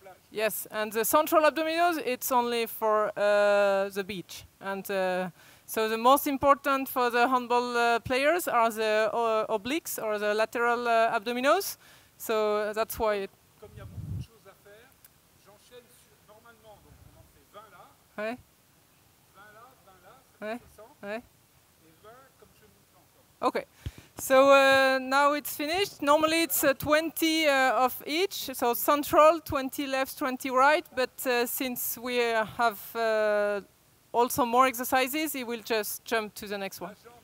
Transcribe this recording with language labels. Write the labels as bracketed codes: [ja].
[en] Yes, and the central abdominals, it's only for the beach. And so the most important for the handball players are the obliques or the lateral abdominals. So that's why it. [fr] Comme il y a beaucoup de choses à faire, j'enchaîne sur, normalement, donc on en fait 20 là. Ouais. 20 là, 20 là, ça fait 600. Ouais. Et 20 comme je vous le fais encore. [en] Okay. So now it's finished. Normally it's 20 of each, so central, 20 left, 20 right. But since we have also more exercises, it will just jump to the next one.